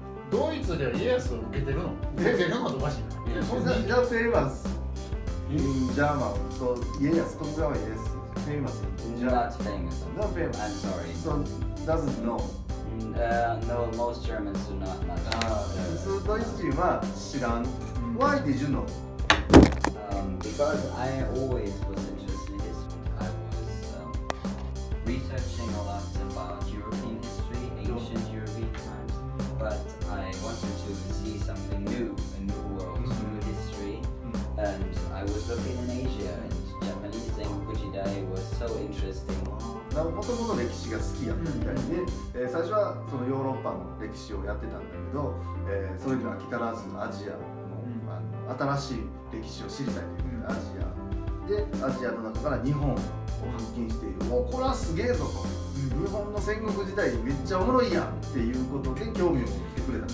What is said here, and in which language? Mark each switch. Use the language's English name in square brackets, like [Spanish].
[Japanese] ドイツではイエスを受けてるの？全然のことおかしいな。それじゃあ、フェイマス。ジャーマン。そう、イエス、ここはイエス。フェイマス。 [English] ジャーマン。Not famous. Not famous. I'm sorry. So, doesn't know. No, most Germans do not know. [Japanese] So, ドイツ人は知らん。 [English] Why did you know? Because I always was interested in history. I was researching a lot about European history, ancient European times. But,I wanted to see something new, a new world, new history, and I was looking in Asia, and Japanese Zenkuji Dai was so interesting. [Japanese] なるほど、もともと歴史が好きやったみたいで、最初はそのヨーロッパの歴史をやってたんだけど、それには飽き足らずアジアの、新しい歴史を知りたいというアジアで、アジアの中から日本を発見している。もうこれはすげえぞと、日本の戦国時代めっちゃおもろいやんっていうことで興味を持ってくれたんです。